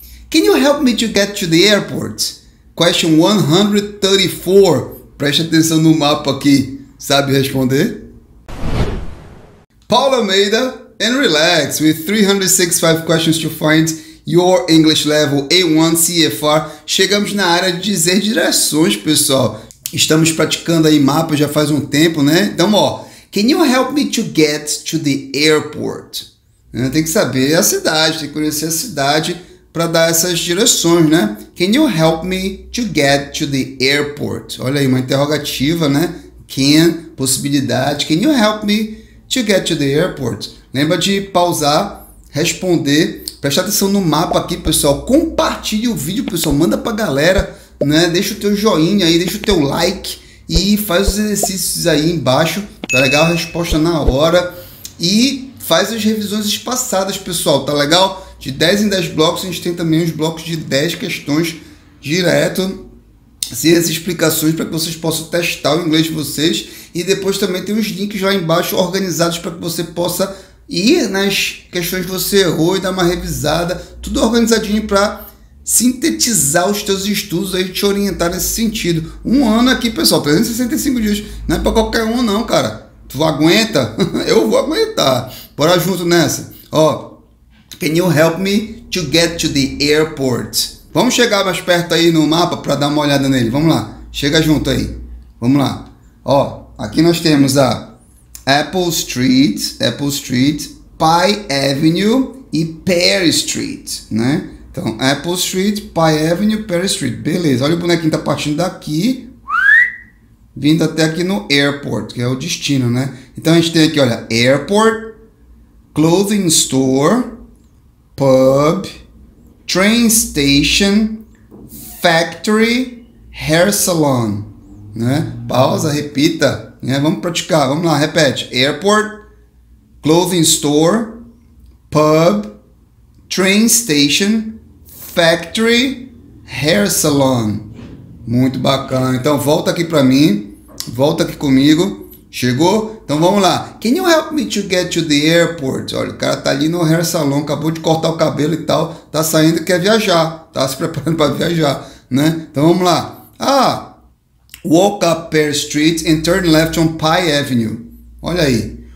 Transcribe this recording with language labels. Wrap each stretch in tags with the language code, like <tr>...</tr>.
<en>Can you help me to get to the airport? Question 134.</en> <pt>Preste atenção no mapa aqui. Sabe responder?</pt> <en>Paulo Almeida, and relax with 365 questions to find your English level A1 CFR.</en> <pt>Chegamos na área de dizer direções, pessoal. Estamos praticando aí mapa já faz um tempo, né? Então, ó.</pt> <en>Can you help me to get to the airport?</en> <pt>Tem que saber a cidade, tem que conhecer a cidade para dar essas direções, né?</pt> <en>Can you help me to get to the airport?</en> <pt>Olha aí, uma interrogativa, né?</pt> <en>Can, possibilidade. Can you help me to get to the airport?</en> <pt>Lembra de pausar, responder. Presta atenção no mapa aqui, pessoal. Compartilhe o vídeo, pessoal. Manda para a galera, né? Deixa o teu joinha aí, deixa o teu like e faz os exercícios aí embaixo. Tá legal? Resposta na hora. E faz as revisões espaçadas, pessoal. Tá legal? De 10 em 10 blocos, a gente tem também uns blocos de 10 questões direto. Sem as explicações para que vocês possam testar o inglês de vocês. E depois também tem uns links lá embaixo organizados para que você possa ir nas questões que você errou e dar uma revisada. Tudo organizadinho para sintetizar os teus estudos aí, te orientar nesse sentido. Um ano aqui, pessoal, 365 dias. Não é para qualquer um, não, cara. Tu aguenta? Eu vou aguentar. Bora junto nessa.</pt> <en>Ó, can you help me to get to the airport?</en> <pt>Vamos chegar mais perto aí no mapa para dar uma olhada nele. Vamos lá. Chega junto aí. Vamos lá. Ó, aqui nós temos a Apple Street, Pi Avenue e Perry Street, né? Então, Apple Street, Pi Avenue, Perry Street. Beleza. Olha o bonequinho tá partindo daqui, vindo até aqui no airport, que é o destino, né? Então a gente tem aqui, olha, airport, clothing store, pub, train station, factory, hair salon, né? Pausa, repita, né? Vamos praticar. Vamos lá, repete.</pt> <en>Airport, clothing store, pub, train station, factory, hair salon.</en> <pt>Muito bacana. Então volta aqui para mim, volta aqui comigo. Chegou? Então vamos lá.</pt> <en>Can you help me to get to the airport?</en> <pt>Olha, o cara tá ali no hair salon, acabou de cortar o cabelo e tal, tá saindo, quer viajar, tá se preparando para viajar, né? Então vamos lá.</pt> <en>Ah, walk up Perry Street and turn left on Pi Avenue.</en> <pt>Olha aí.</pt>